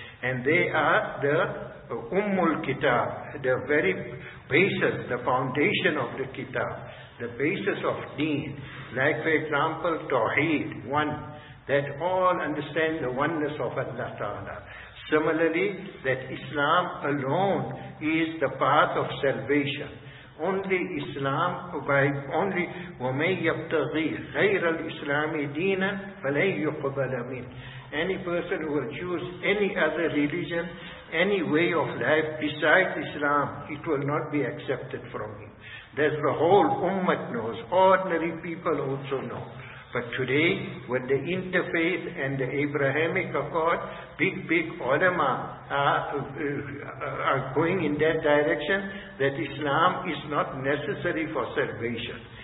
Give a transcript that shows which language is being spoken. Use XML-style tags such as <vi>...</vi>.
<en>And they are the Ummul Kitab, the very basis, the foundation of the Kitab, the basis of Deen. Like for example, Tawheed, one, that all understand the oneness of Allah Ta'ala. Similarly, that Islam alone is the path of salvation. Only Islam, by only</en> <ar>وَمَنْ يَبْتَغِي غَيْرَ الْإِسْلَامِ دِينًا فَلَنْ يُقْبَلَ مِنْ.</ar> <en>Any person who will choose any other religion, any way of life besides Islam, it will not be accepted from him. That the whole ummah knows, ordinary people also know. But today, with the interfaith and the Abrahamic Accord, big ulama are going in that direction, that Islam is not necessary for salvation.</en>